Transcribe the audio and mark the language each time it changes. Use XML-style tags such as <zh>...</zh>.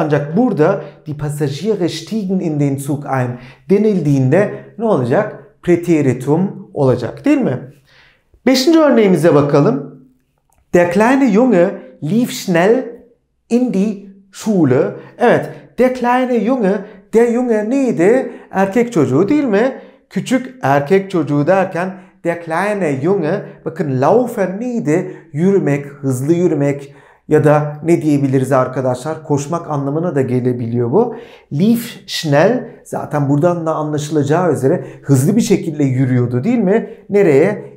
<tr>Ancak burada</tr> <de>die Passagiere steigen in den Zug ein</de> <tr>denildiğinde ne olacak? Präteritum olacak değil mi? Beşinci örneğimize bakalım.</tr> <de>Der kleine Junge lief schnell in die Schule.</de> <tr>Evet,</tr> <de>der kleine Junge, der Junge</de> <tr>neydi? Erkek çocuğu değil mi? Küçük erkek çocuğu derken</tr> <de>der kleine Junge,</de> <tr>bakın laufen neydi? Yürümek, hızlı yürümek ya da ne diyebiliriz arkadaşlar? Koşmak anlamına da gelebiliyor bu.</tr> <de>Lief schnell,</de> <tr>zaten buradan da anlaşılacağı üzere hızlı bir şekilde yürüyordu değil mi? Nereye?</tr>